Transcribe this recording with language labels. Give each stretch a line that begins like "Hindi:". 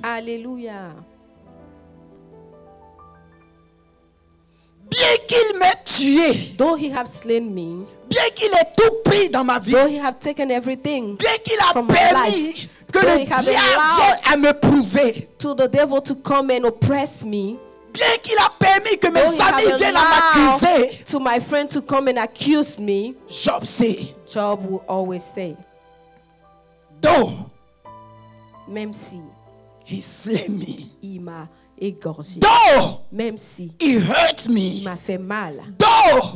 French: Alléluia. Bien qu'il m'ait tué,
English: though he have slain me,
French: bien qu'il ait tout pris dans ma vie,
English: though he have taken everything,
French: bien qu'il a permis que le diable vienne à me prouver,
English: to the devil to come and oppress me,
French: bien qu'il a permis que mes amis viennent à m'accuser,
English: to my friend to come and accuse me, Job say, Job will always say, though,
French: même si,
English: he slain me,
French: il m'a égorgé.
English: Though,
French: même si,
English: he hurt me,
French: il m'a fait mal.
English: Though,